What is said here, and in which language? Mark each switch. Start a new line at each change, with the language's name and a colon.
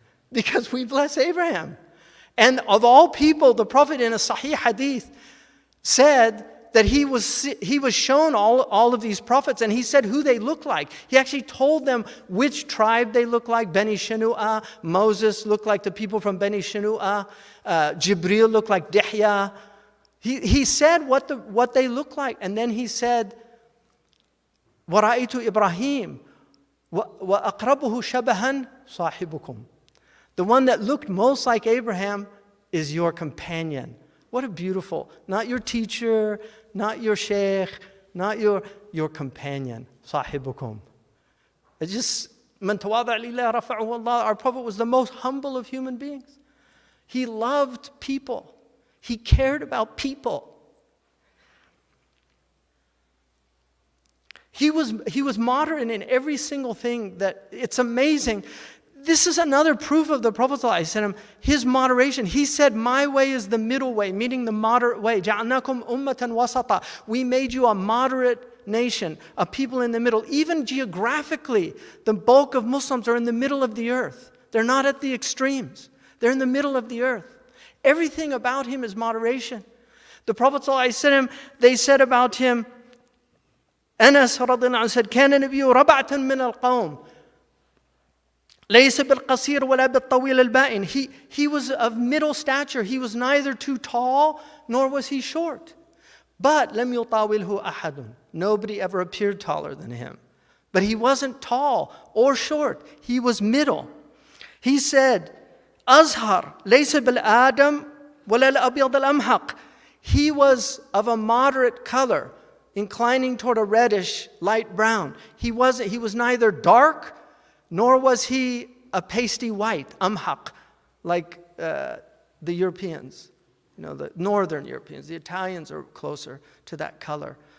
English: Because we bless Abraham. And of all people, the prophet in a Sahih Hadith said that he was shown all of these prophets, and he said who they look like. He actually told them which tribe they look like. Beni Shinua, Moses looked like the people from Beni Shinua. Jibril looked like Dihya. He said what they look like. And then he said,
Arabic: وَرَأَيْتُ إِبْرَاهِيمَ وَأَقْرَبُهُ شَبَهًا صَاحِبُكُمْ.
English: The one that looked most like Abraham is your companion. What a beautiful, not your teacher, not your sheikh, not your companion, sahibukum. It's just,
Arabic: من تواضع لله رفعه الله.
English: Our prophet was the most humble of human beings. He loved people. He cared about people. He was moderate in every single thing. That it's amazing. This is another proof of the Prophet ﷺ, his moderation. He said, my way is the middle way, meaning the moderate way.
Arabic: جَعَلْنَاكُمْ أُمَّةً وَسَطًا.
English: We made you a moderate nation, a people in the middle. Even geographically, the bulk of Muslims are in the middle of the earth. They're not at the extremes. They're in the middle of the earth. Everything about him is moderation. The Prophet ﷺ, they said about him,
Arabic: أَنَسْ رَضِيَ اللَّهُ عَنْهُ said, كَانَ نَبِيُّ رَبَعْتًا مِنَ الْقَوْمِ ليس بالقصير ولا بالطويل البائن.
English: He was of middle stature. He was neither too tall nor was he short. But
Arabic: لم يطاوله أحد.
English: Nobody ever appeared taller than him. But he wasn't tall or short. He was middle. He said,
Arabic: أزهر ليس بالآدم ولا الأبيض الأمحق.
English: He was of a moderate color, inclining toward a reddish, light brown. He was neither dark, nor was he a pasty white, amhaq, like the Europeans, you know, the northern Europeans. The Italians are closer to that color.